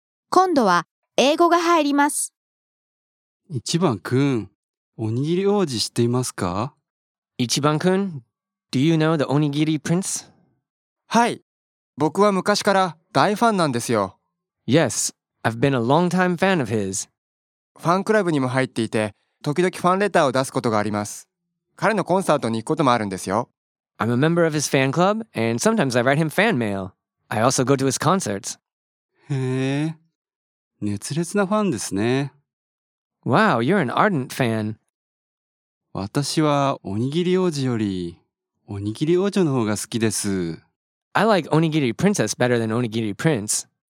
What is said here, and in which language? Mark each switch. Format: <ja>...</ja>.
<ja>今度は、英語が入ります。一番くん、おにぎり王子知っていますか?</ja> <en>一番くん、Do you know the おにぎり prince?</en> <ja>はい、僕は昔から大ファンなんですよ。</ja> <en>Yes. I've been a long-time fan of his.</en> <ja>ファンクラブにも入っていて、時々ファンレターを出すことがあります。彼のコンサートに行くこともあるんですよ。</ja> <en>I'm a member of his fan club, and sometimes I write him fan mail. I also go to his concerts.</en> <ja>へえ、熱烈なファンですね。</ja> <en>Wow, you're an ardent fan.</en> <ja>私はおにぎり王子よりおにぎり王女の方が好きです。</ja> <en>I like Onigiri Princess better than Onigiri Prince.</en>